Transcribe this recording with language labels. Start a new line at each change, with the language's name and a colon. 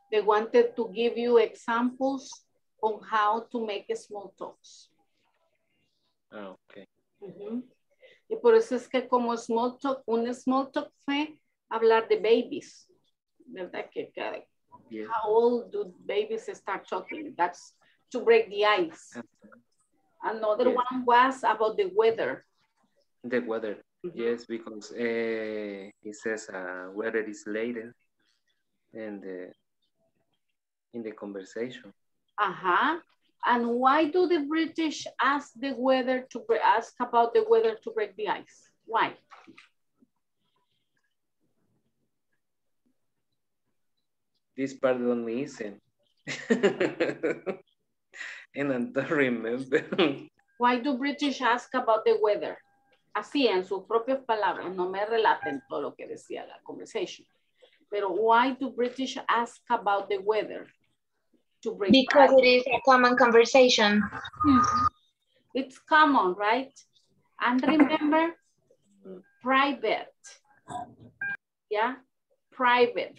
English: They wanted to give you examples on how to make small talks. Okay.
Spanish: Mm-hmm. Y por eso es que como small talk, un small talk fue hablar de babies. ¿Verdad? Que,
English: yeah. How old do babies start talking? That's to break the ice. Another yes. One was about the weather. The weather. Yes, because he says weather is later in the conversation. Uh-huh. And why do the British ask the weather to ask about the weather to break the ice? Why? This part don't listen. And I don't remember. Why do British ask about the weather?
Spanish: Así en sus propias palabras, no me relaten todo lo que decía la conversation. Pero
English: why do British ask about the weather? To break because back? It is a common conversation. Mm-hmm. It's common, right? And remember, private. Yeah? Private.